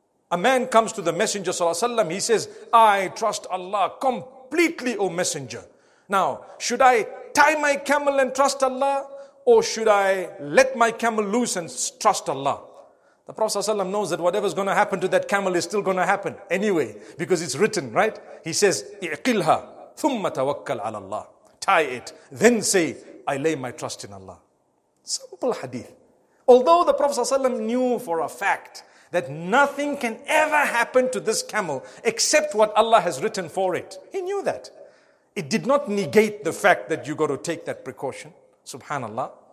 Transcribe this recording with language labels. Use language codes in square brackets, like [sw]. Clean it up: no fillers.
[en] A man comes to the Messenger sallallahu alaihi wasallam. He says, I trust Allah completely, O Messenger. Now, should I tie my camel and trust Allah? Or should I let my camel loose and trust Allah? The Prophet sallallahu knows that whatever's going to happen to that camel is still going to happen anyway, because it's written, right? He says, [ar] اِعْقِلْهَا ثُمَّ تَوَكَّلْ عَلَى اللَّهِ. [en] Tie it, then say, I lay my trust in Allah. Simple hadith. Although the Prophet sallallahu knew for a fact that nothing can ever happen to this camel except what Allah has written for it. He knew that. It did not negate the fact that you got to take that precaution. Subhanallah.